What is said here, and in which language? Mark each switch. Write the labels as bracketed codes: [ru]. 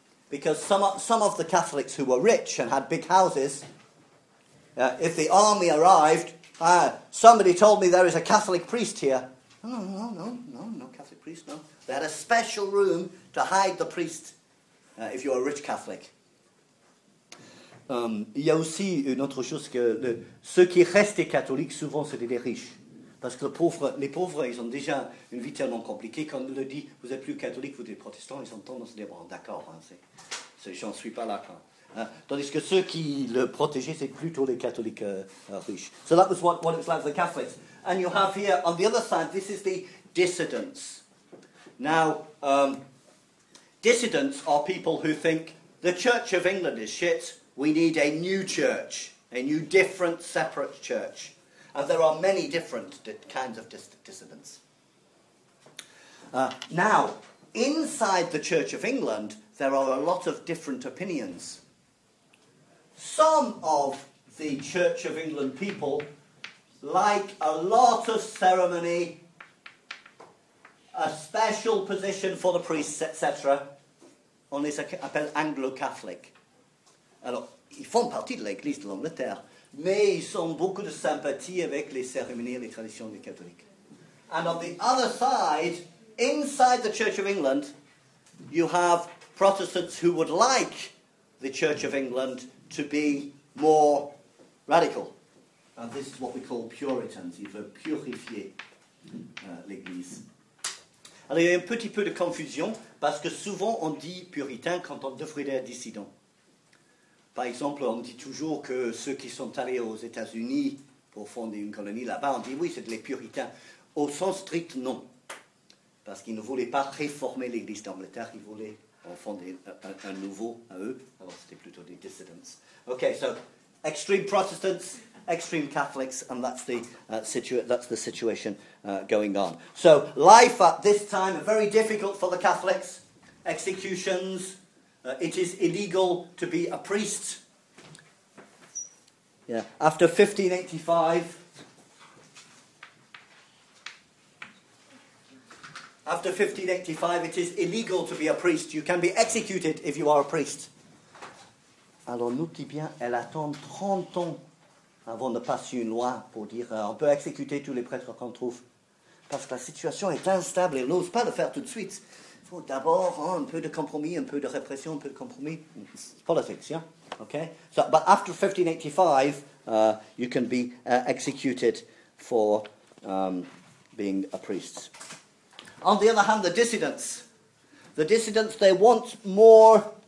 [en] Because some of the Catholics who were rich and had big houses, if the army arrived, somebody told me there is a Catholic priest here. No, Catholic priest, no. They had a special room to hide the priest if you're a rich Catholic. [fr] Il y a aussi une autre chose, que ceux qui restaient catholiques, souvent c'était des riches. Parce que les pauvres, ils ont déjà une vie tellement compliquée. Quand on leur dit, vous n'êtes plus catholique, vous êtes protestant, ils ont tendance à dire, bon, d'accord, hein, j'en suis pas là, quoi. Tandis que ceux qui le protégeaient, c'est plutôt les catholiques riches. [en] So that was what it was like for the Catholics. And you have here, on the other side, this is the dissidents. Now, dissidents are people who think the Church of England is shit, we need a new church, a new different separate church. And there are many different kinds of dissidents. Now, inside the Church of England, there are a lot of different opinions. Some of the Church of England people like a lot of ceremony, a special position for the priests, etc. [fr] On les appelle anglo-catholiques. Alors, ils font partie de l'Église de l'Angleterre, mais ils ont beaucoup de sympathie avec les cérémonies et les traditions des catholiques. [en] And on the other side, inside the Church of England, you have Protestants who would like the Church of England to be more radical. And this is what we call Puritans. [fr] Ils veulent purifier l'Église. Alors, il y a un petit peu de confusion, parce que souvent on dit puritain quand on devrait dire dissident. Par exemple, on dit toujours que ceux qui sont allés aux États-Unis pour fonder une colonie là-bas, on dit oui, c'est les puritains. Au sens strict, non. parce qu'ils ne voulaient pas réformer l'Église d'Angleterre, ils voulaient en fonder un nouveau à eux. Alors c'était plutôt des dissidents. [en] Ok, so extreme Protestants, extreme Catholics, and that's the situation going on. So life at this time very difficult for the Catholics. Executions. It is illegal to be a priest. Yeah. After 1585. After 1585, it is illegal to be a priest. You can be executed if you are a priest. [fr] Alors, notez bien, elle attend 30 ans avant de passer une loi pour dire on peut exécuter tous les prêtres qu'on trouve. Parce que la situation est instable, elle n'ose pas le faire tout de suite. Il faut d'abord un peu de compromis, un peu de répression, un peu de compromis. [en] It's politics, yeah? Okay? So, but after 1585, you can be executed for being a priest. On the other hand, the dissidents, they want more.